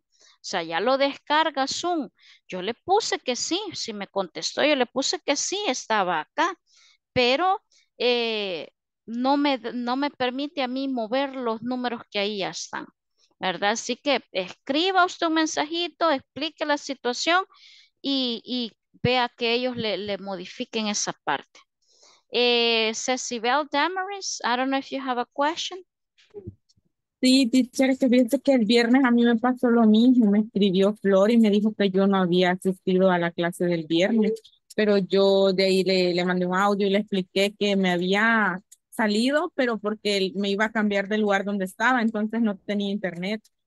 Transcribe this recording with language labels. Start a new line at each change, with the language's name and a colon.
Spanish: O sea, ya lo descarga Zoom. Yo le puse que sí, si me contestó, yo le puse que sí, estaba acá, pero no me permite a mí mover los números que ahí ya están, ¿verdad? Así que escriba usted un mensajito, explique la situación y vea que ellos le modifiquen esa parte.
English: Cecibel Damaris, I don't know if you have a question.
Spanish: Sí, teacher, es que fíjate que el viernes a mí me pasó lo mismo. Me escribió Flor y me dijo que yo no había asistido a la clase del viernes, pero yo de ahí le mandé un audio y le expliqué que me había salido, pero porque él me iba a cambiar de lugar donde estaba, entonces no tenía internet.